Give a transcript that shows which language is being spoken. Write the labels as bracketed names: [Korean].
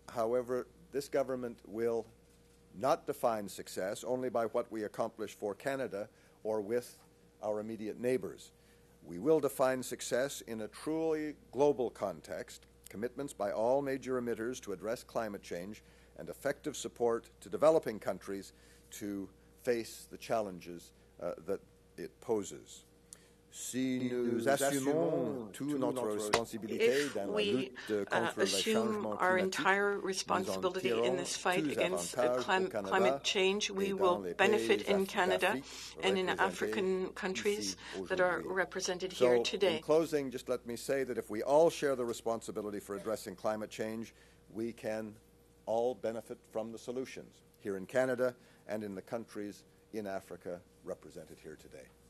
[English] However, this government will not define success only by what we accomplish for Canada or with our immediate neighbors. We will define success in a truly global context. Commitments by all major emitters to address climate change and effective support to developing countries to face the challenges that it poses. [French] Si nous assumons toute notre responsabilité dans la lutte contre le changement climatique, [English] our entire responsibility in this fight against climate change, we will benefit in Canada and in African countries that are represented here today. So, in closing, just let me say that if we all share the responsibility for addressing climate change, we can all benefit from the solutions here in Canada and in the countries in Africa represented here today.